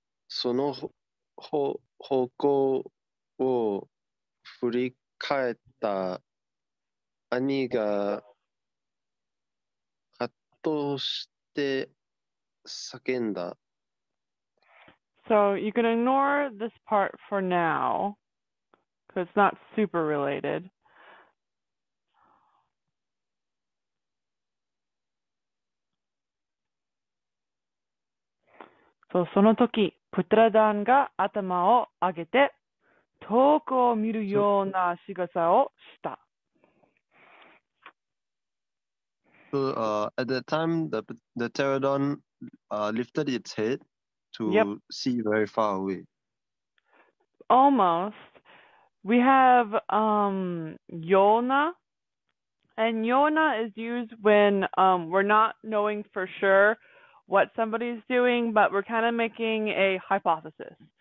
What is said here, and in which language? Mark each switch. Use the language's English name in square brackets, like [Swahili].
[Japanese] その方向を振り返った兄がハッとして叫んだ。 [English] So you can ignore this part for now, because it's not super related. [Japanese] So その時、プテラダンが頭を上げて、遠くを見るような仕草をした。 [English] At that time, the pterodon lifted its head Yep. to see very far away. Almost. We have Yona, and Yona is used when we're not knowing for sure what somebody's doing, but we're kind of making a hypothesis.